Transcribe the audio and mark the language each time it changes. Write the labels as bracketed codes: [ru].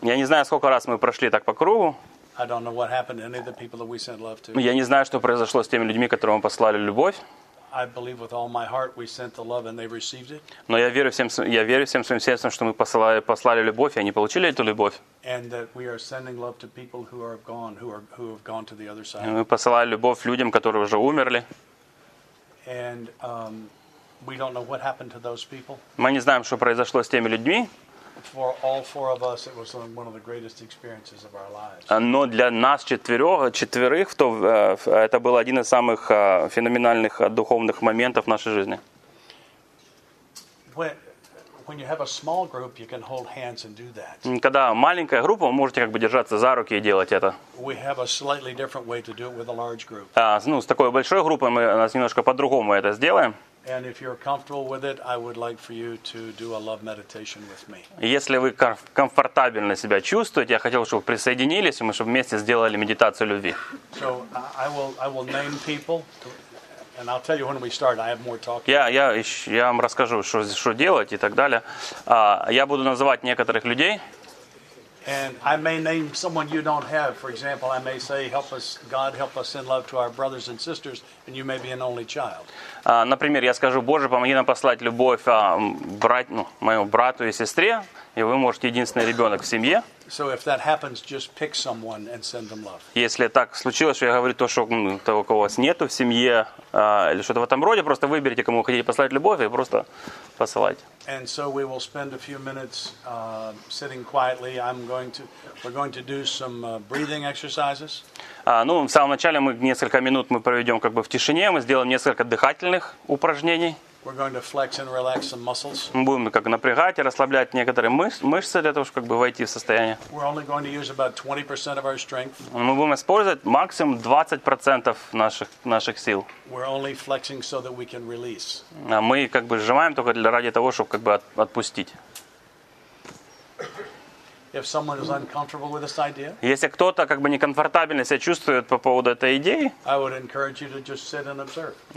[ru] Я не знаю, сколько раз мы прошли так по кругу. [en] I don't know what happened to any of the people that we sent love to. [ru] Я не знаю, что произошло с теми людьми, которым мы послали любовь. [en] I believe with all my heart we sent the love and they received it. [ru] Но я верю всем своим сердцем, что мы послали любовь, и они получили эту любовь. [en] And that we are sending love to people who are gone, who have gone to the other side. [ru] Мы посылали любовь людям, которые уже умерли. [en] And we don't know what happened to those people. [ru] Мы не знаем, что произошло с теми людьми. [en] For all four of us, it was one of the greatest experiences of our lives. [ru] Но для нас четверых, то это был один из самых феноменальных духовных моментов нашей жизни. [en] When you have a small group, you can hold hands and do that. [ru] Когда маленькая группа, вы можете как бы держаться за руки и делать это. [en] We have a slightly different way to do it with a large group. [ru] С такой большой группой мы нас немножко по-другому это сделаем. [en] And if you're comfortable with it, I would like for you to do a love meditation with me. [ru] Если вы комфортабельно себя чувствуете, я хотел, чтобы вы присоединились, и мы чтобы вместе сделали медитацию любви. [en] So I will name people, and I'll tell you when we start. I have more talking. [ru] Я вам расскажу, что делать и так далее. Я буду называть некоторых людей. [en] And I may name someone you don't have. For example, I may say, "Help us, God, help us send love to our brothers and sisters," and you may be an only child. [ru] Например, я скажу: Боже, помоги нам послать любовь моему брату и сестре, и вы можете единственный ребенок в семье. [en] So if that happens, just pick someone and send them love. [ru] Если так случилось, что я говорю то, что того, кого у вас нету в семье, или что-то в этом роде, просто выберите, кому вы хотите послать любовь, и просто посылайте. [en] And so we will spend a few minutes sitting quietly. We're going to do some breathing exercises. [ru] В самом начале мы несколько минут мы проведем как бы в тишине, мы сделаем несколько дыхательных упражнений. [en] We're going to flex and relax some muscles. [ru] Мы будем как напрягать и расслаблять некоторые мышцы для того, чтобы как бы войти в состояние. [en] We're only going to use about 20% of our strength. [ru] Мы будем использовать максимум 20% наших сил. [en] We're only flexing so that we can release. [ru] А мы как бы сжимаем только ради того, чтобы как бы отпустить. [en] If someone is uncomfortable with this idea, [ru] если кто-то как бы некомфортабельно себя чувствует по поводу этой идеи, [en] I would encourage you to just sit and observe.